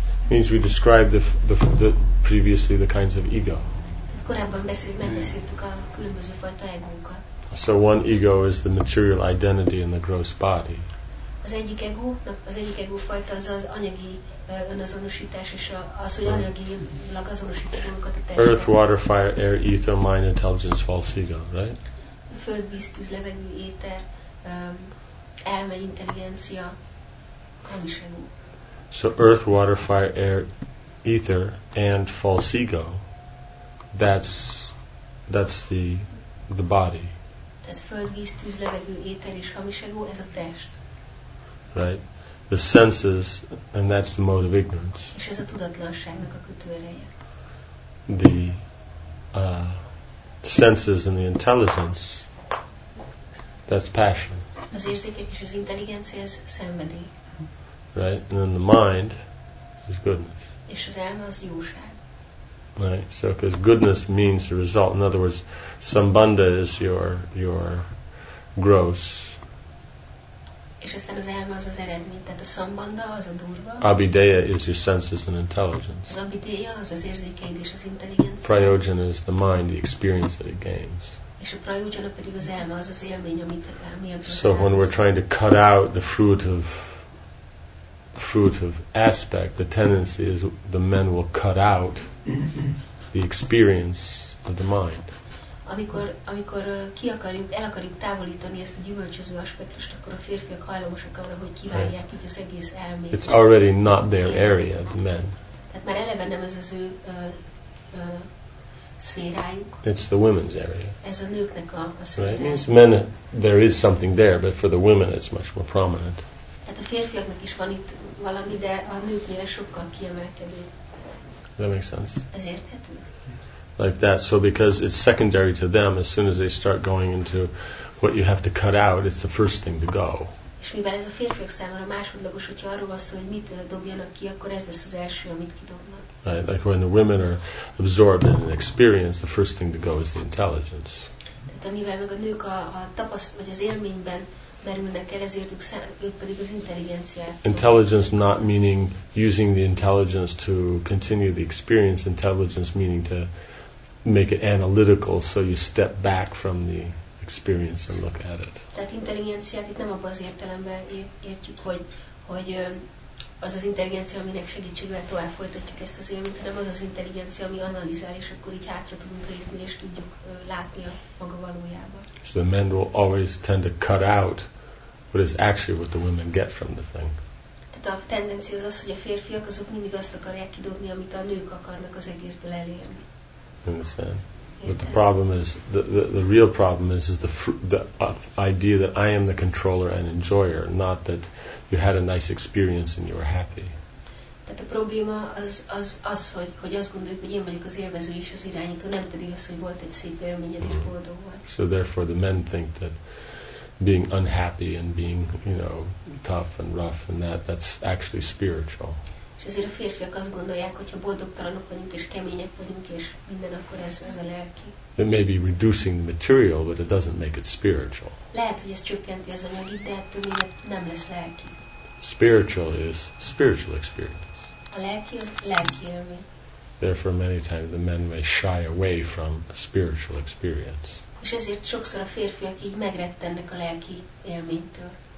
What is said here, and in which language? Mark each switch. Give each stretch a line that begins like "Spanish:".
English: Means we describe the previously the kinds of ego.
Hungarian: Korábban megbeszéltük a különböző fajta egókat.
English: So one ego is the material identity in the gross body.
Hungarian: Az egyik ego fajta az anyagi önazonosítás és az, hogy anyagilag azonosítjuk magunkat a testben.
English: Earth, water, fire, air, ether, mind, intelligence, false ego, right?
Hungarian: Föld, víz, tűz, levegő, éter, elme, intelligencia, hamis ego.
English: So earth, water, fire, air, ether, and false ego, that's the body.
Hungarian: Tehát föld, víz, tűz, levegő, éter és hamis ego, ez a test.
English: Right. The senses, and that's the mode of ignorance.
Hungarian: És ez a tudatlanságnak a kötőereje.
English: The senses and the intelligence, that's passion.
Hungarian: Az érzékek és az intelligencia, ez szenvedély.
English: Right, and then the mind is goodness.
Hungarian: És az elme az jóság.
English: Right, so because goodness means the result. In other words, sambandha is your gross.
Hungarian: És aztán az elme az eredmény, tehát a sambandha az a durva.
English: Abhideya is your senses and intelligence.
Hungarian: Az abhideya az az érzékeid és az intelligencia.
English: Prayojana is the mind, the experience that it gains.
Hungarian: És a prayojana pedig az elme az élmény, amit a
Sanskrit: prasadam.
English: So when we're trying to cut out the fruit of aspect, the tendency is the men will cut out the experience of the mind.
Hungarian: amikor el akarjuk távolítani ezt a gyümölcsöző aspektust, akkor a férfiak hajlamosak arra, hogy kiválják így az egész elmét.
English: It's already not their area, the men.
Hungarian: Tehát már eleve nem ez az ő szférájuk.
English: It's the women's area.
Hungarian: Ez a nőknek a szférájuk.
English: Right? It means men, there is something there, but for the women it's much more prominent.
Hungarian: Tehát a férfiaknak is van itt valami, de a nőknél sokkal kiemelkedő.
English: That makes sense.
Hungarian: Ez érthető?
English: Like that, so because it's secondary to them, as soon as they start going into what you have to cut out, it's the first thing to go.
Hungarian: És mivel ez a férfiak számára másodlagos, hogyha arról van szó, hogy mit dobjanak ki, akkor ez lesz az első, amit kidobnak.
English: Right, like when the women are absorbed in an experience, the first thing to go is the intelligence.
Hungarian: Tehát amivel meg a nők a tapaszt, vagy az élményben merülnek el, ezért ők pedig az intelligenciát.
English: Intelligence not meaning using the intelligence to continue the experience, intelligence meaning to make it analytical, so you step back from the experience and look at it.
Hungarian: Tehát intelligenciát itt nem abban az értelemben értjük, hogy az az intelligencia, aminek segítségével tovább folytatjuk ezt az élményt, hanem az az intelligencia, ami analizál, és akkor így hátra tudunk lépni, és tudjuk látni a maga valójában.
English: So the men will always tend to cut out what is actually what the women get from the thing.
Hungarian: Tehát a tendencia az, hogy a férfiak azok mindig azt akarják kidobni, amit a nők akarnak az egészből elérni.
English: Understand. But the problem is the real problem is the idea that I am the controller and enjoyer, not that you had a nice experience and you were happy.
Hungarian: Tehát a probléma az, hogy azt gondoljuk, hogy én vagyok az élvező és az irányító, nem pedig az, hogy volt egy szép élményed és boldog vagy.
English: So therefore the men think that being unhappy and being, you know, tough and rough and that's actually spiritual.
Hungarian: És ezért a férfiak azt gondolják, hogy ha boldogtalanok vagyunk és kemények vagyunk és minden, akkor ez a lelki.
English: It may be reducing the material, but it doesn't make it spiritual.
Hungarian: Lehet, hogy ez csökkenti az anyagi, de ettől még nem lesz lelki.
English: Spiritual is spiritual experience.
Hungarian: A lelki az lelki élmény.
English: Therefore, many times the men may shy away from spiritual experience.
Hungarian: És ezért sokszor a férfiak így megrettennek a lelki élménytől.